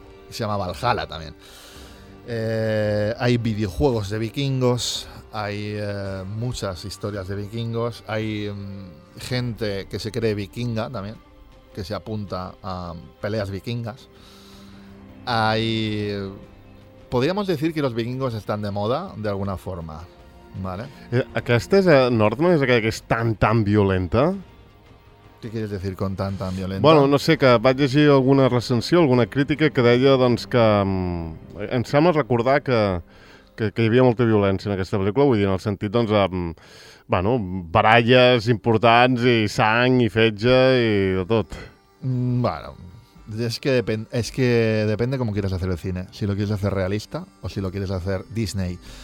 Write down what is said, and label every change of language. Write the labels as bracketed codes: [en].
[es] Se llama Valhalla también. Hay videojuegos de vikingos, hay muchas historias de vikingos, hay gente que se cree vikinga también, que se apunta a peleas vikingas. Hay... Podríamos decir que los vikingos están de moda de alguna forma, ¿vale? [ca] ¿Aquesta és Northman? És aquella que és tan, tan violenta? [es] ¿Qué quieres decir con tan, tan violenta? [ca] Bueno, no sé, que vaig llegir alguna recensió, alguna crítica que deia, doncs, que... Em sembla recordar que hi havia molta violència en aquesta pel·lícula, vull dir, en el sentit, doncs, bueno, baralles importants i sang i fetge i de tot. Bueno... [es] Es que depende cómo quieras hacer el cine. Si lo quieres hacer realista o si lo quieres hacer Disney.